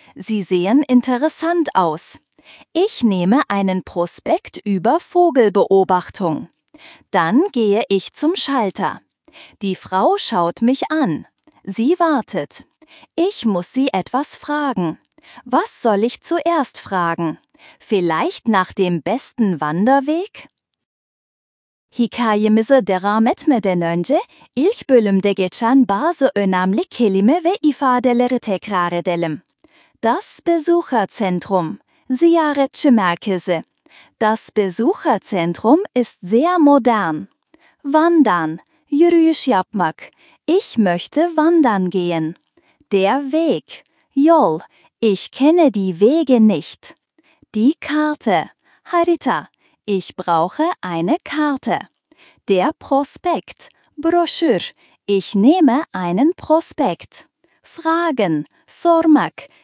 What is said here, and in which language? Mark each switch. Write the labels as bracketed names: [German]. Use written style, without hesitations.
[German] Sie sehen interessant aus. Ich nehme einen Prospekt über Vogelbeobachtung. Dann gehe ich zum Schalter. Die Frau schaut mich an. Sie wartet. Ich muss sie etwas fragen. Was soll ich zuerst fragen? Vielleicht nach dem besten Wanderweg? [Turkish] Hikayemize devam etmeden önce ilk bölümde geçen bazı önemli kelime ve ifadeleri tekrar edelim. [German] Das Besucherzentrum, [Turkish] ziyaretçi merkezi. [German] Das Besucherzentrum ist sehr modern. Wandern, [Turkish] yürüyüş yapmak. [German] Ich möchte wandern gehen. Der Weg, [Turkish] yol. [German] Ich kenne die Wege nicht. Die Karte, [Turkish] harita. [German] Ich brauche eine Karte. Der Prospekt, [Turkish] Broschür. [German] Ich nehme einen Prospekt. Fragen, [Turkish] sormak.